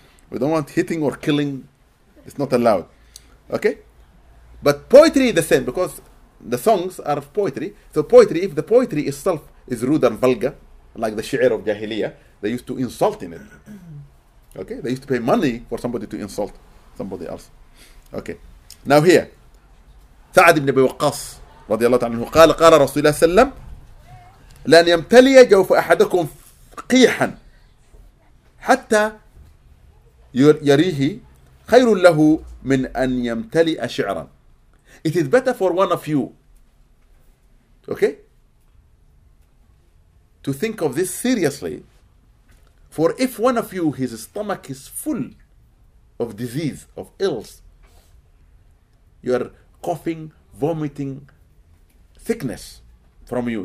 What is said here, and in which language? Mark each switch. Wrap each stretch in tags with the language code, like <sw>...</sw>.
<en>We don't want hitting or killing. It's not allowed. Okay? But poetry is the same because the songs are of poetry. So poetry, if the poetry itself is rude and vulgar, like the shi'r of Jahiliyyah, they used to insult in it. Okay? They used to pay money for somebody to insult somebody else. Okay. Now here,</en> <ar>Sa'ad ibn Abi Waqqas, رضي الله عنه قال قال رسول الله صلى الله عليه وسلم لن يمتلي جوف أحدكم قيحا حتى يريه خير له من أن يمتلي شعرا.</ar> <en>It is better for one of you, okay, to think of this seriously. For if one of you, his stomach is full of disease, of ills, you are coughing, vomiting, sickness from you.</en>